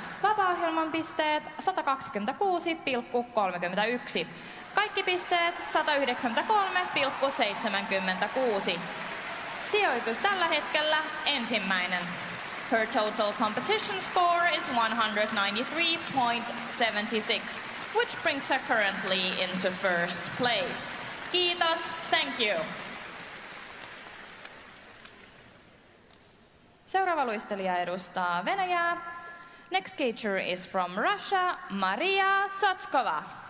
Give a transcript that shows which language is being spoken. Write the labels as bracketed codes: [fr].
[fi] Vapaa-ohjelman pisteet 126,31. Kaikki pisteet 193,76. Sijoitus tällä hetkellä ensimmäinen. [en] Her total competition score is 193,76, which brings her currently into first place. [fi] Kiitos, [en] thank you. [fi] Seuraava luistelija edustaa Venäjää. [en] Next skater is from Russia, Maria Sotskova.